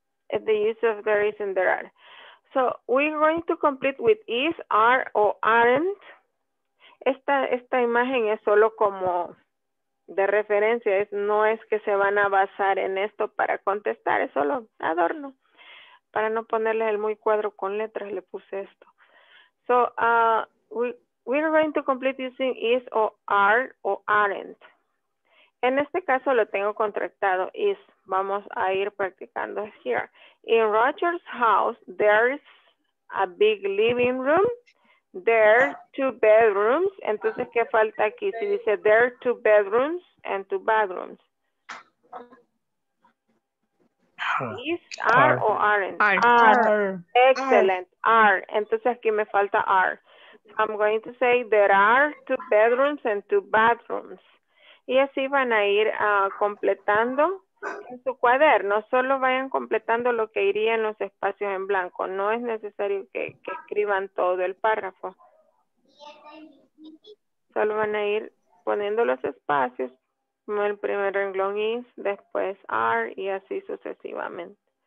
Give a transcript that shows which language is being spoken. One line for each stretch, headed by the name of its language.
English: The use of there is and there are. So we're going to complete with is, are, or aren't.
Spanish: Esta imagen es solo como de referencia. No es que se van a basar en esto para contestar. Es solo adorno. Para no ponerle el muy cuadro con letras, le puse esto.
English: So we're going to complete using is or are or aren't.
Spanish: En este caso lo tengo contractado, is. Vamos a ir practicando here.
English: In Roger's house, there's a big living room. There are two bedrooms.
Spanish: Entonces, ¿qué falta aquí? Si dice
English: there are two bedrooms and two bathrooms. Is, are, or aren't? Are. Excellent. Are.
Spanish: Entonces, aquí me falta are.
English: I'm going to say there are two bedrooms and two bathrooms.
Spanish: Y así van a ir completando en su cuaderno. Solo vayan completando lo que iría en los espacios en blanco. No es necesario que escriban todo el párrafo. Solo van a ir poniendo los espacios. El primer renglón is, después are y así sucesivamente.